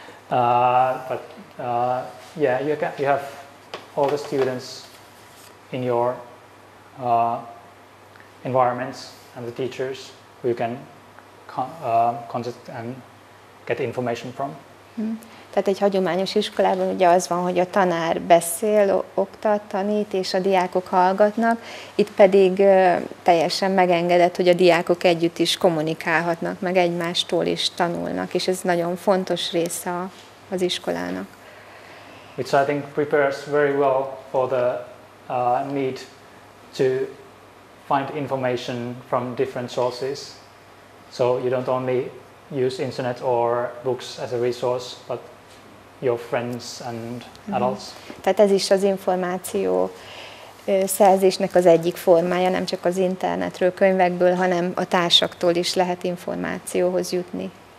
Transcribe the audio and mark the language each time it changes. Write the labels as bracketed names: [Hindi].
[English] Yeah, you have all the students in your environments and the teachers who you can contact and get information from. [Hungarian] Tehát egy hagyományos iskolában ugye az van, hogy a tanár beszél, oktat, tanít, és a diákok hallgatnak. Itt pedig teljesen megengedett, hogy a diákok együtt is kommunikálhatnak, meg egymástól is tanulnak, és ez nagyon fontos része az iskolának. [English] Which I think prepares very well for the need to find information from different sources. So you don't only use internet or books as a resource, but your friends and adults. [Hungarian] Tehát ez is az információ szerzésnek az egyik formája, nem csak az internetről, könyvekből, hanem a társaktól is lehet információhoz jutni.